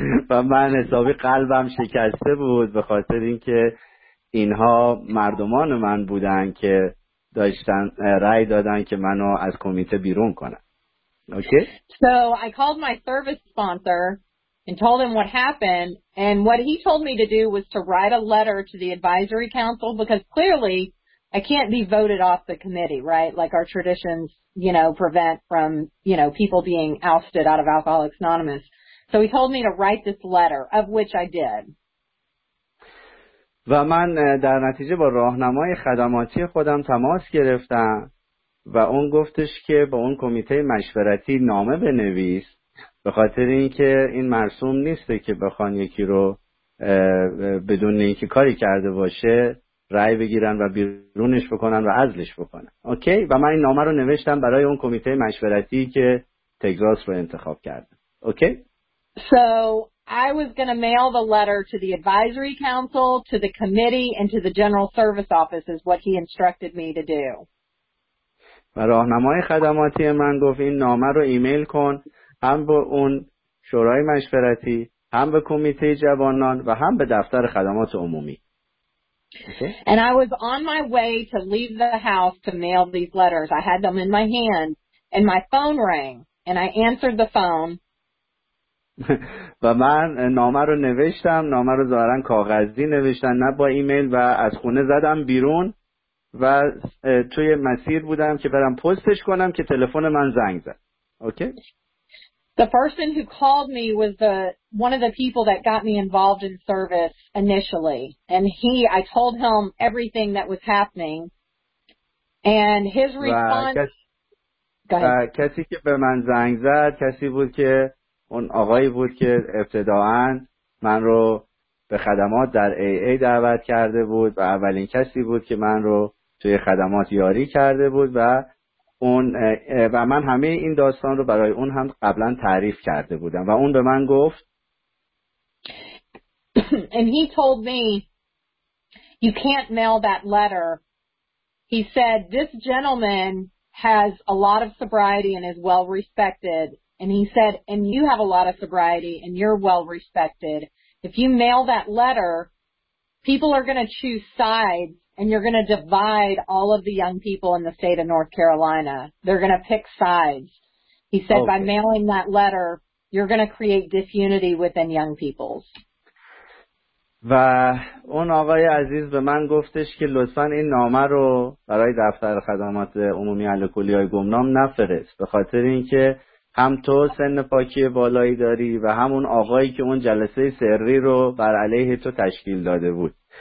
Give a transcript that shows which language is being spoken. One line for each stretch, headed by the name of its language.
Persian: و من حسابی قلبم شکسته بود به خاطر اینکه اینها مردمان من بودن که داشتن رأی دادن که منو از کمیته بیرون کنن. اوکی؟
English: So I called my service sponsor and told him what happened, and what he told me to do was to write a letter to the advisory council, because clearly I can't be voted off the committee, right? Like our traditions, you know, prevent from, you know, people being ousted out of Alcoholics Anonymous. So he told me to write this letter, of which I did.
Persian: و من در نتیجه با راهنمای خدماتی خودم تماس گرفتم و اون گفتش که با اون کمیته مشورتی نامه بنویس، به خاطر اینکه این مرسوم نیست که بخوان یکی رو بدون اینکه کاری کرده باشه رأی بگیرن و بیرونش بکنن و عزلش بکنن. اوکی؟ و من این نامه رو نوشتم برای اون کمیته مشورتی که تگزاس رو انتخاب کرده. اوکی؟
English: So I was going to mail the letter to the advisory council, to the committee, and to the general service office is what he instructed me to do.
Persian: و راهنمای خدماتی من گفت این نامه رو ایمیل کن هم به اون شورای مشورتی، هم به کمیته جوانان و هم به دفتر خدمات عمومی.
English: And I was on my way to leave the house to mail these letters. I had them in my hand, and my phone rang, and I answered the phone.
Persian: و من نامه رو نوشتم، نامه رو ظاهرا کاغذی نوشتم، نه با ایمیل، و از خونه زدم بیرون و توی مسیر بودم که برم پستش کنم که تلفن من زنگ زد. اوکی؟
English: The person who called me was one of the people that got me involved in service initially. And I told him everything that was happening. And his response...
Persian: کسی که به من زنگ زد، کسی بود که اون آقایی بود که ابتداعاً من رو به خدمات در AA دعوت کرده بود و اولین کسی بود که من رو توی خدمات یاری کرده بود و اون و من همه این داستان رو برای اون هم قبلا تعریف کرده بودم و اون به من گفت
English: and he told me you can't mail that letter. He said this gentleman has a lot of sobriety and is well respected, and he said and you have a lot of sobriety and you're well respected. If you mail that letter, people are going to choose sides. And you're going to divide all of the young people in the state of North Carolina. They're going to pick sides. He said, okay. By mailing that letter, you're going to create disunity within young people.
Persian: و اون آقای عزیز به من گفتش که لطفاً این نامه رو برای دفتر خدمات عمومی الکلی‌های گمنام نفرست، به خاطر اینکه هم تو سن پاکی بالایی داری و هم اون آقایی که اون جلسه سری رو بر علیه تو تشکیل داده بود.